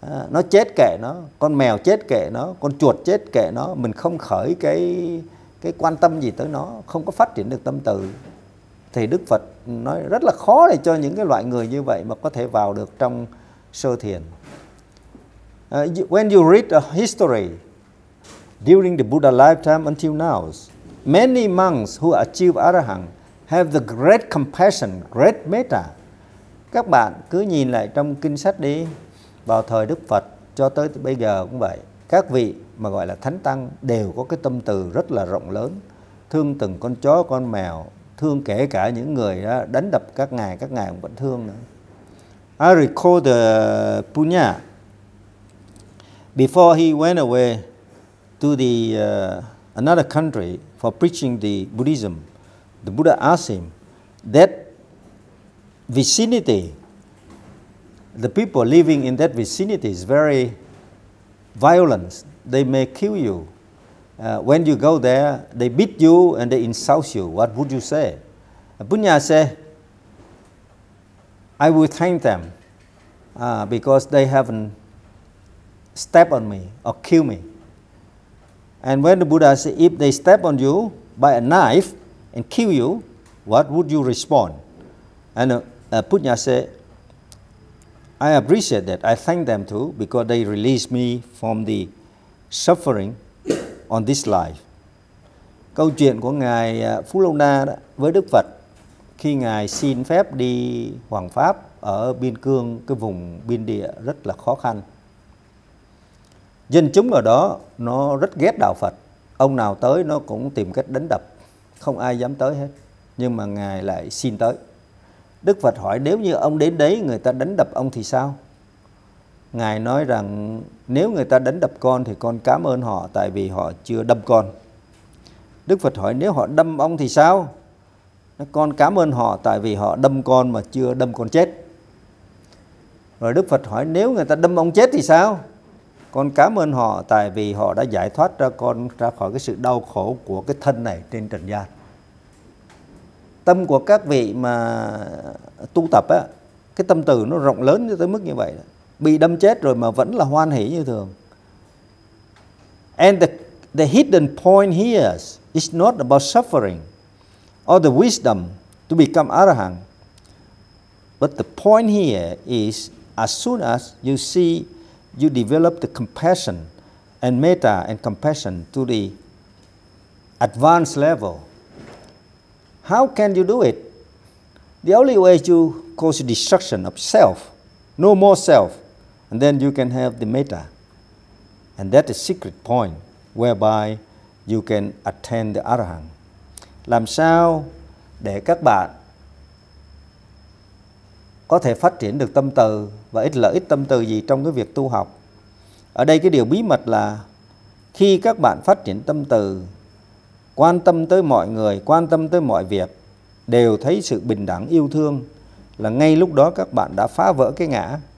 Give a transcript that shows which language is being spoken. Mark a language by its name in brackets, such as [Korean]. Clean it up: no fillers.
[Vietnamese] Nó chết kệ nó, con mèo chết kệ nó, con chuột chết kệ nó. Mình không khởi cái quan tâm gì tới nó, không có phát triển được tâm từ. Thì Đức Phật nói rất là khó để cho những cái loại người như vậy mà có thể vào được trong sơ thiền. [English] When you read a history during the Buddha lifetime until now, many monks who achieve arahant have the great compassion, great metta. [Vietnamese] Các bạn cứ nhìn lại trong kinh sách đi, vào thời Đức Phật cho tới bây giờ cũng vậy. Các vị mà gọi là thánh tăng đều có cái tâm từ rất là rộng lớn, thương từng con chó con mèo, thương kể cả những người đó, đánh đập các ngài cũng vẫn thương nữa. [English] I recall the Punya. Before he went away to the another country for preaching the Buddhism, the Buddha asked him that vicinity, the people living in that vicinity is very violent. They may kill you. When you go there, they beat you and they insult you. What would you say? Punya said, I will thank them because they haven't stepped on me or killed me. And when the Buddha said, if they step on you by a knife and kill you, what would you respond? And Punya said, I appreciate that. I thank them too because they released me from the suffering on this life. [Vietnamese] Câu chuyện của Ngài Phú Lâu Na với Đức Phật khi Ngài xin phép đi Hoàng Pháp ở Biên Cương, cái vùng biên địa rất là khó khăn. Dân chúng ở đó nó rất ghét Đạo Phật. Ông nào tới nó cũng tìm cách đánh đập. Không ai dám tới hết. Nhưng mà Ngài lại xin tới. Đức Phật hỏi nếu như ông đến đấy người ta đánh đập ông thì sao? Ngài nói rằng nếu người ta đánh đập con thì con cảm ơn họ tại vì họ chưa đâm con. Đức Phật hỏi nếu họ đâm ông thì sao? Con cảm ơn họ tại vì họ đâm con mà chưa đâm con chết. Rồi Đức Phật hỏi nếu người ta đâm ông chết thì sao? Con cảm ơn họ tại vì họ đã giải thoát ra con ra khỏi cái sự đau khổ của cái thân này trên trần gian. Tâm của các vị mà tu tập á, cái tâm từ nó rộng lớn tới mức như vậy đó. Bị đâm chết rồi mà vẫn là hoan hỷ như thường. [English] And the hidden point here is not about suffering or the wisdom to become arahant. But the point here is as soon as you see you develop the compassion and metta and compassion to the advanced level. How can you do it? The only way is you cause destruction of self, no more self, and then you can have the metta. And that is the secret point whereby you can attain the arahant. [Vietnamese] Làm sao để các bạn có thể phát triển được tâm từ và ít lợi ích tâm từ gì trong cái việc tu học? Ở đây cái điều bí mật là khi các bạn phát triển tâm từ, quan tâm tới mọi người, quan tâm tới mọi việc, đều thấy sự bình đẳng yêu thương, là ngay lúc đó các bạn đã phá vỡ cái ngã.